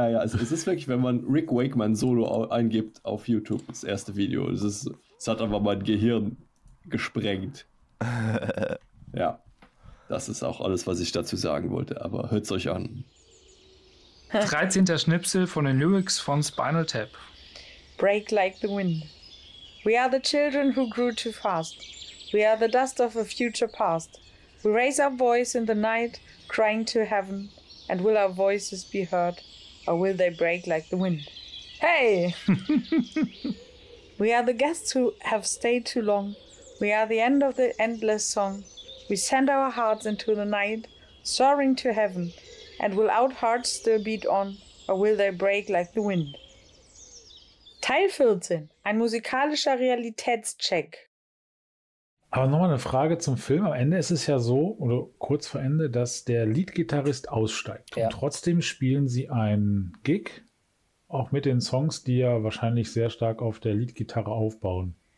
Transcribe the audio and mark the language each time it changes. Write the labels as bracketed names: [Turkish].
[German] Also, es ist wirklich, wenn man Rick Wakeman Solo eingibt auf YouTube, das erste Video. Es hat einfach mein Gehirn gesprengt. Ja, das ist auch alles, was ich dazu sagen wollte. Aber hört es euch an. 13. Schnipsel von den Lyrics von Spinal Tap. [English] Break like the wind. We are the children who grew too fast. We are the dust of a future past. We raise our voice in the night, crying to heaven. And will our voices be heard, or will they break like the wind? Hey! We are the guests who have stayed too long. We are the end of the endless song. We send our hearts into the night, soaring to heaven. And will our hearts still beat on, or will they break like the wind? [German] Teil 14. Ein musikalischer Realitätscheck. Aber nochmal eine Frage zum Film. Am Ende ist es ja so, oder kurz vor Ende, dass der Leadgitarrist aussteigt. Ja. Und trotzdem spielen sie einen Gig, auch mit den Songs, die ja wahrscheinlich sehr stark auf der Leadgitarre aufbauen.